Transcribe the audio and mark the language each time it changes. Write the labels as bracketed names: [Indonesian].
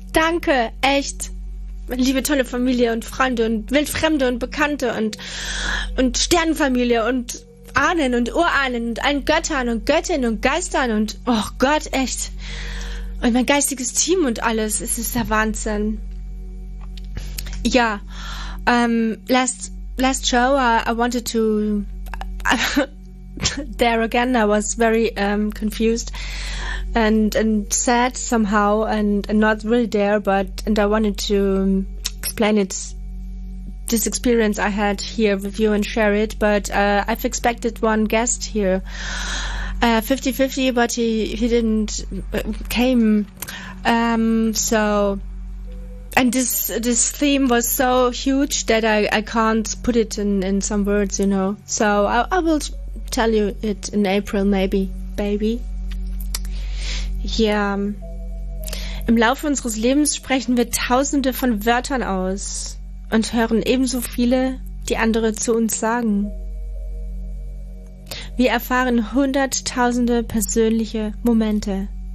[German] Danke, echt. Liebe tolle Familie und Freunde und Wildfremde und Bekannte und Sternenfamilie und Ahnen und Urahnen und allen Göttern und Göttinnen und Geistern und oh Gott, echt. Und mein geistiges Team und alles, es ist der Wahnsinn. [English] Ja, last show I wanted to there again, I was very confused and sad somehow and not really there, but and I wanted to explain it. This experience I had here with you and share it, but I've expected one guest here 50-50, but he didn't came so and this theme was so huge that I can't put it in some words, you know, so I will tell you it in April maybe, baby. [German] Yeah, im Laufe unseres Lebens sprechen wir tausende von Wörtern aus und hören ebenso viele, die andere zu uns sagen. Wir erfahren hunderttausende persönliche Momente.